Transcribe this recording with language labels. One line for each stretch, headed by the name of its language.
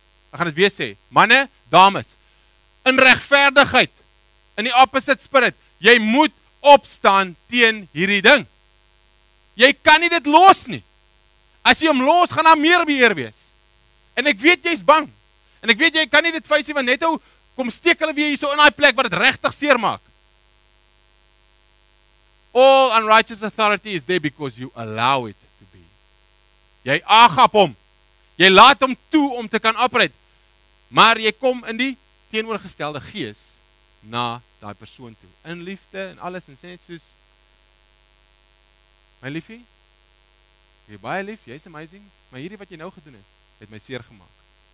Afrikaans: Ek gaan dit weer sê, manne, dames, in regverdigheid, in die
English: opposite spirit,
Afrikaans: jy moet opstaan teen hierdie ding. Jy kan nie dit los nie. As jy hom los, gaan daar meer beheer wees. En ek weet jy is bang. En ek weet jy kan nie dit vuisie, want net hoe kom steek hulle weer hier so in die plek, wat het regtig seer maak.
English: All unrighteous authority is there because you allow it to be.
Afrikaans: Jy agap hom. Jy laat hom toe om te kan operate. Maar jy kom in die teenoorgestelde gees na die persoon toe. In liefde en alles en sê net soos, my liefie, jy baie lief, jy is amazing, maar hierdie wat jy nou gedoen het, het my seer gemaak.